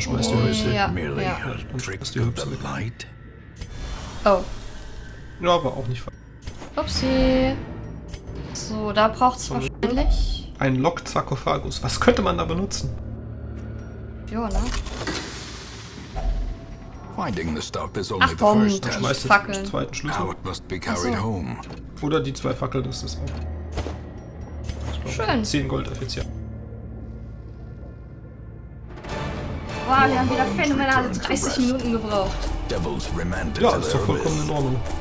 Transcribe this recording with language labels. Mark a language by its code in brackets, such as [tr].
[de] schmeißt die Hülse. Ja, dann schmeißt die Hülse weg. Oh. Ja, aber auch nicht falsch. Upsi. So, da braucht's wahrscheinlich... ein Lock-Sarkophagus. Was könnte man da benutzen? Jo, ne? [en] Finding the stuff is only the first. [de] Dann schmeißt du den zweiten Schlüssel. [en] It must be carried home. [de] Oder die zwei Fackeln, das ist auch... schön. 10 Gold effizient. Wow, wir haben wieder phänomenale 30 Minuten gebraucht. Ja, ist doch vollkommen in Ordnung.